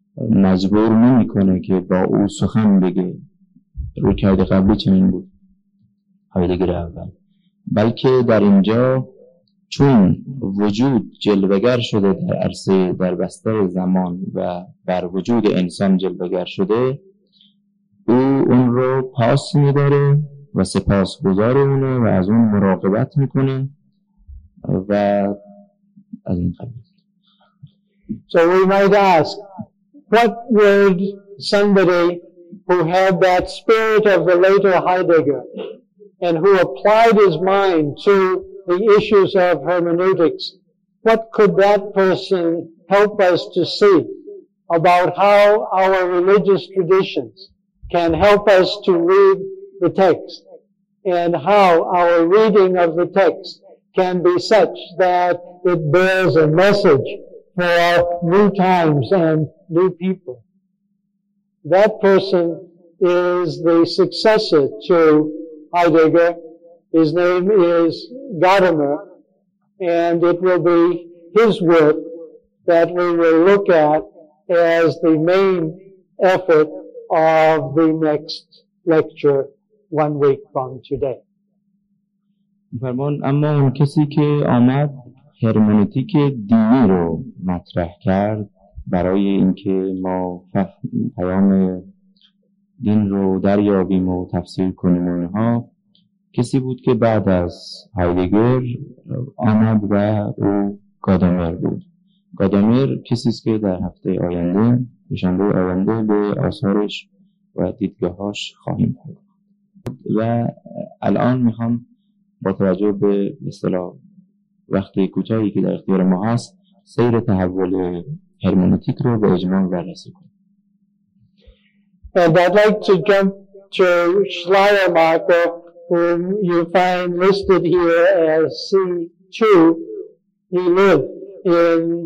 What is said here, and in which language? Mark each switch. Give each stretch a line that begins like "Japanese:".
Persian: مجبور نمیکنه که با او سخن بگه رویکرد قبلی چنین بود هایدگر اول بلکه در اینجا چون وجود جلوه‌گر شده در عرصه در بستر زمان و بر وجود انسان جلوه‌گر شده او اون رو پاس میداره و سپاسگزار اونه و از اون مراقبت میکنه و از این قبیل
English: So we might ask what would somebody who had that spirit of the later Heidegger and who applied his mind to the issues of hermeneutics what could that person help us to see about how our religious traditions can help us to read the text and how our reading of the text can be such that it bears a message for new times and new people. That person is the successor to Heidegger. His name is Gadamer, and it will be his work that we will look at as the main effort of the next lecture. One week from today.
Persian: اما اون کسی که آمد هرمنوتیک دینی رو مطرح کرد برای اینکه ما پیام دین رو دریابیم و تفسیر کنیم اونها کسی بود که بعد از هایدگر آمد و او گادامر بود گادامر کسی است که در هفته آینده دوشنبه آینده به آثارش و دیدگاهاش خواهیم پرداخت و الان میخوام با توجه به مثلا وقتی کوتاهی که در اختیار ما هست سیر تحول هرمنوتیک رو به اجمال بررسی کنیم.
English: And I'd like to jump to Schleiermacher whom you find listed here as C2. He lived in